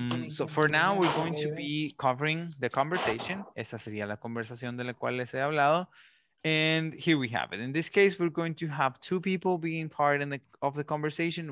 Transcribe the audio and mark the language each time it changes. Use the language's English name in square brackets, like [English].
[English] So, for now, we're going to be covering the conversation. [Spanish] Esa sería la conversación de la cual les he hablado. [English] And here we have it. In this case, we're going to have two people being part of the conversation.